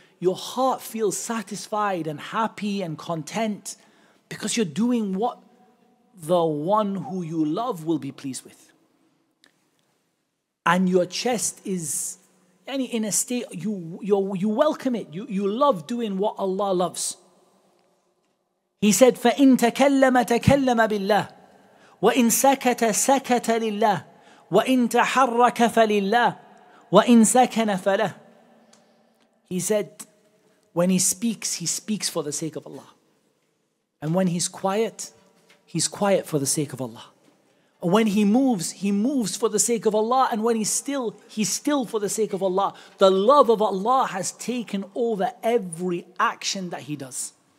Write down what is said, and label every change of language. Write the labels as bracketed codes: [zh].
[en] Your heart feels satisfied and happy and content because you're doing what the one who you love will be pleased with. And your chest is in a state, you welcome it. You love doing what Allah loves. He said, [ar] فَإِن تَكَلَّمَ تَكَلَّمَ بِاللَّهِ وَإِن سَكَتَ سَكَتَ لِلَّهِ وَإِن تَحَرَّكَ فَلِلَّهِ وَإِن سَكَنَ فَلَهِ. [en] He said, when he speaks for the sake of Allah. And when he's quiet for the sake of Allah. When he moves for the sake of Allah. And when he's still for the sake of Allah. The love of Allah has taken over every action that he does.